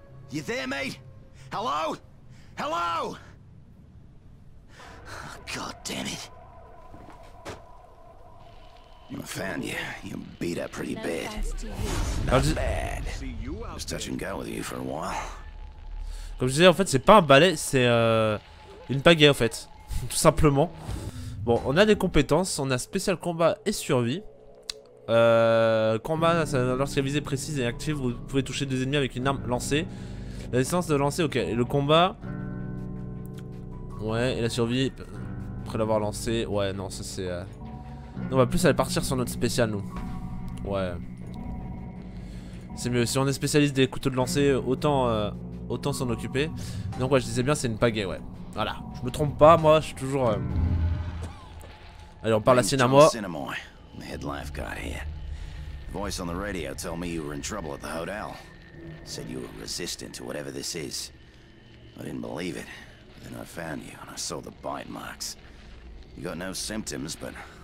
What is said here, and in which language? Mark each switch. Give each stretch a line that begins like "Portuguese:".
English: You there, mate? Hello? Hello? Oh, God damn it. I found you. You beat up pretty bad. Not bad. Just touch and go with you for a while.
French: Comme je disais, en fait, c'est pas un balai, c'est une pagaie, en fait. Tout simplement. Bon, on a des compétences. On a spécial combat et survie. Combat, lorsqu'il y a visée précise et active, vous pouvez toucher deux ennemis avec une arme lancée. La distance de lancer, ok. Et le combat. Ouais, et la survie après l'avoir lancé. Ouais, non, ça c'est. On va plus aller partir sur notre spécial, nous. Ouais. C'est mieux. Si on est spécialiste des couteaux de lancer, autant. Autant s'en occuper. Donc ouais, je disais bien, c'est une pagaie, ouais. Voilà, je me trompe pas, moi, je suis toujours... Allez, on parle à Cinnamoy. Cinnamoy, le head lifeguard ici.
English: Voice on the radio told me you were in trouble at the hotel. Said you were resistant to whatever this is. I didn't believe it. Then I found you and I saw the bite marks. You got no symptoms, but...